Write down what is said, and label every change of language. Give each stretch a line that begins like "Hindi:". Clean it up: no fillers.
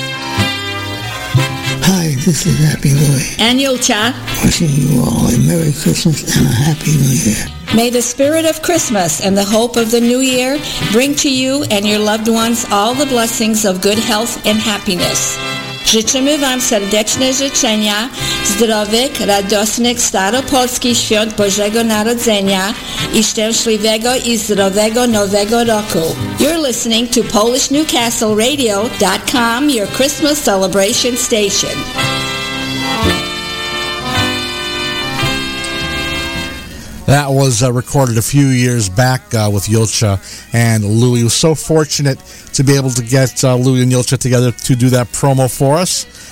English: Christmas and Happy New Year. And you, Chuck. Wishing you all a Merry Christmas and a Happy New Year. May the spirit of Christmas and the hope of the new year bring to you and your loved ones all the blessings of good health and happiness.
Polish: Życzymy Wam serdeczne życzenia, zdrowych, radosnych, staropolskich świąt Bożego Narodzenia I szczęśliwego I zdrowego Nowego Roku.
English: You're listening to PolishNewcastleRadio.com, your Christmas celebration station. That was recorded a few years back with Yulcha and Louie. We're so fortunate to be able to get Louie and Yulcha together to do that promo for us.